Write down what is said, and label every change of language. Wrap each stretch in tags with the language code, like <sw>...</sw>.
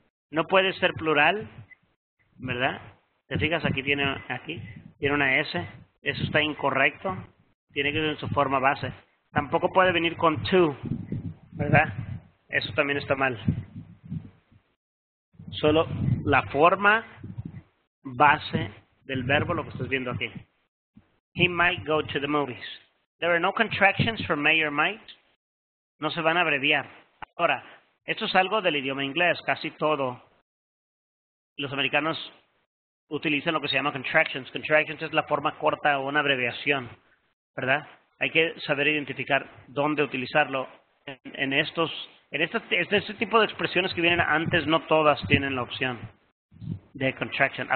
<es>No puede ser plural, ¿verdad? Te fijas, aquí tiene una S. Eso está incorrecto. Tiene que ser en su forma base. Tampoco puede venir con to, ¿verdad? Eso también está mal. Solo la forma base del verbo, lo que estás viendo aquí.</es> <en>He might go to the movies. There are no contractions for may or might.</en> <es>No se van a abreviar. Ahora, esto es algo del idioma inglés. Casi todo. Los americanos utilizan lo que se llama contractions. Contractions es la forma corta o una abreviación, ¿verdad? Hay que saber identificar dónde utilizarlo. En este tipo de expresiones que vienen antes, no todas tienen la opción de contraction.</es>